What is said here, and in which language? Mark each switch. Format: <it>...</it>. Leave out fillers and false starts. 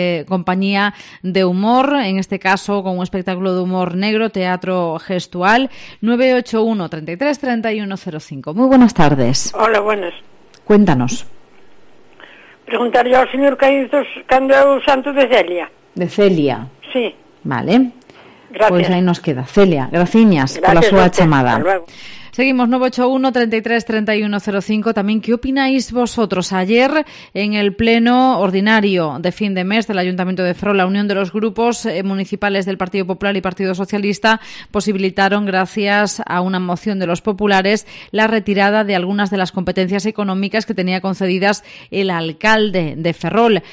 <es>Compañía de humor, en este caso con un espectáculo de humor negro, teatro gestual. 981-33-3105. Muy buenas tardes. Hola, buenas. Cuéntanos. Preguntar yo al señor Caídos cuando es el santo de Celia. ¿De Celia? Sí. Vale. Gracias. Pues ahí nos queda.</es> <gl>Celia, graciñas por la sua chamada.</gl> <es>Hasta luego. Seguimos, 981-33-3105. También, ¿qué opináis vosotros? Ayer, en el pleno ordinario de fin de mes del Ayuntamiento de Ferrol, la unión de los grupos municipales del Partido Popular y Partido Socialista posibilitaron, gracias a una moción de los populares, la retirada de algunas de las competencias económicas que tenía concedidas el alcalde de Ferrol.</es>